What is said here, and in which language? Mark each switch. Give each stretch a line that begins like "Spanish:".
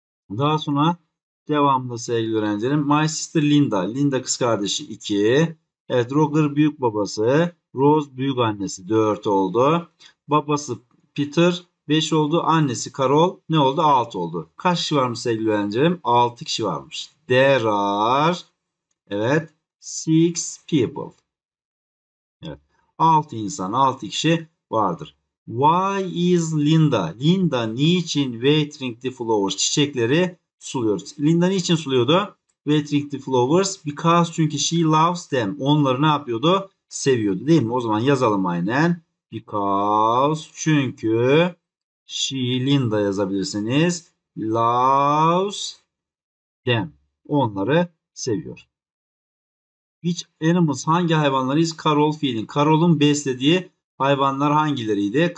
Turkish: Daha sonra devamlı sevgili öğrencilerim.
English: My sister Linda,
Turkish: Linda kız kardeşi 2. Evet, Roger büyük babası. Rose büyük annesi 4 oldu. Babası Peter 5 oldu. Annesi Carol ne oldu? 6 oldu. Kaç kişi varmış sevgili öğrencilerim? 6 kişi varmış.
English: There are,
Turkish: evet,
English: six people.
Turkish: Evet, 6 insan, 6 kişi vardır.
English: Why is Linda?
Turkish: Linda niçin
English: watering the flowers?
Turkish: Çiçekleri suluyoruz. Linda niçin suluyordu?
English: Watering the flowers. Because
Turkish: çünkü
English: she loves them.
Turkish: Onları ne yapıyordu? Seviyordu, değil mi? O zaman yazalım aynen.
English: Because
Turkish: çünkü
English: she
Turkish: Linda yazabilirsiniz.
English: Loves them.
Turkish: Onları seviyor.
English: Which animals,
Turkish: hangi hayvanlar
English: is Carol feeding?
Turkish: Carol'un beslediği hayvanlar hangileriydi?